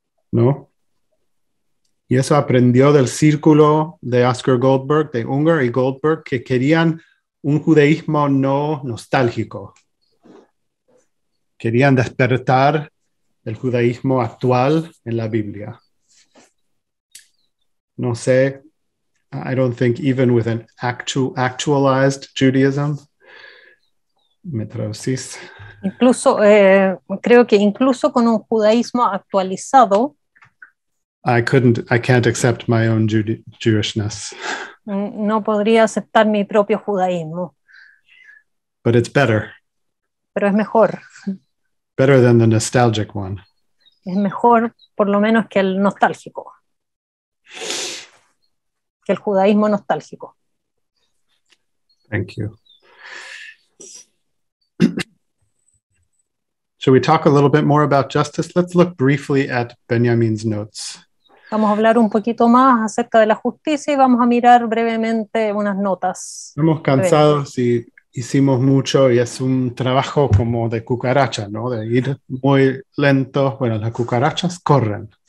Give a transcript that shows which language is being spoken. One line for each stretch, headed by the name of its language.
Spanish: ¿No? Y eso aprendió del círculo de Oscar Goldberg, de Unger y Goldberg, que querían un judaísmo no nostálgico. Querían despertar el judaísmo actual en la Biblia. No sé,
English: I don't think even with an actualized Judaism, metrosis.
Spanish: Incluso, creo que incluso con un judaísmo actualizado,
English: I can't accept my own Jewishness.
Spanish: No podría aceptar mi propio judaísmo.
English: But it's better.
Spanish: Pero es mejor.
English: Better than the nostalgic one.
Spanish: Es mejor, por lo menos, que el nostálgico. Que el judaísmo nostálgico.
English: Thank you. Should we talk a little bit more about justice? Let's look briefly at Benjamin's notes.
Spanish: Vamos a hablar un poquito más acerca de la justicia y vamos a mirar brevemente unas notas. Estamos cansados y hicimos mucho y es un trabajo como de cucaracha, ¿no? De ir muy lento. Bueno, las cucarachas corren.